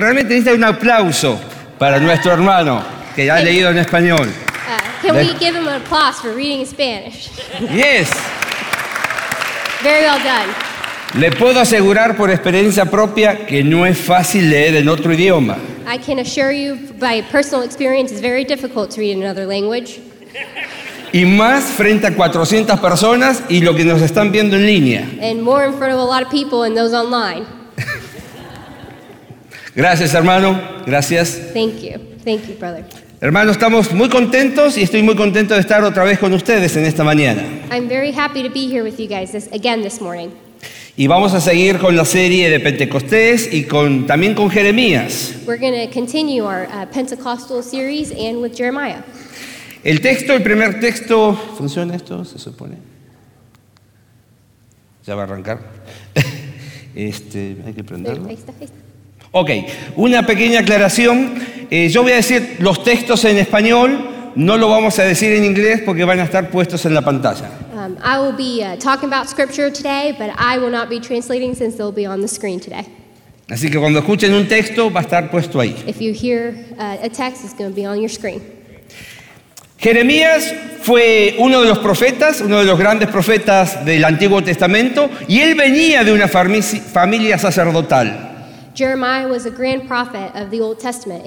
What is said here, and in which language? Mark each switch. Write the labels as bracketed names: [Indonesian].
[Spanish] Realmente necesita un aplauso para nuestro hermano que ya ha leído en español. [English] Can we give him an applause for reading in Spanish? Yes. Very well done. [Spanish] Le puedo asegurar por experiencia propia que no es fácil leer en otro idioma. [English] I can assure you by personal experience it's very difficult to read in another language. [Spanish] Y más frente a 400 personas y lo que nos están viendo en línea. [English] And more in front of a lot of people and those online. [Spanish] Gracias, hermano. Gracias. [English] Thank you, brother. [Spanish] Hermano, estamos muy contentos y estoy muy contento de estar otra vez con ustedes en esta mañana. [English] I'm very happy to be here with you guys again this morning. [Spanish] Y vamos a seguir con la serie de Pentecostés y también con Jeremías. [English] We're going to continue our Pentecostal series and with Jeremiah. [Spanish] El primer texto, ¿funciona esto? Se supone. Ya va a arrancar. Hay que prenderlo. Ahí está. Ok, una pequeña aclaración. Yo voy a decir los textos en español, no lo vamos a decir en inglés porque van a estar puestos en la pantalla. [English] I will be talking about scripture today, but I will not be translating since they'll be on the screen today. [Spanish] Así que cuando escuchen un texto, va a estar puesto ahí. [English] If you hear a text, it's going to be on your screen. [Spanish] Jeremías fue uno de los profetas, uno de los grandes profetas del Antiguo Testamento, y él venía de una familia sacerdotal. [English] Jeremiah was a grand prophet of the Old Testament.